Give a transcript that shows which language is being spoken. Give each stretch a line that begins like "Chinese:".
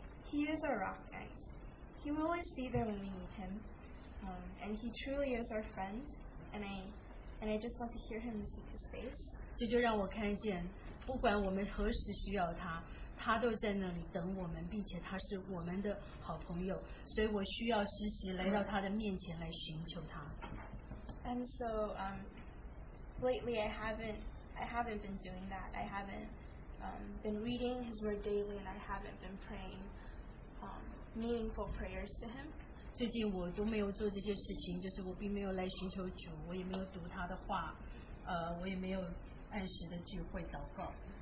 English: He is our rock, and He will always be there when we need Him. And He truly is our friend, and I just want to hear Him and seek His face.
Chinese: 这就让我看见，不管我们何时需要他，他都在那里等我们，并且他是我们的好朋友，所以我需要时时来到他的面前来寻求他。
English: And so, lately I haven't been doing that. I haven't been reading His word daily, and I haven't been praying meaningful prayers to Him.
Chinese: 最近我都没有做这些事情，就是我并没有来寻求主，我也没有读他的话，我也没有按时的聚会祷告。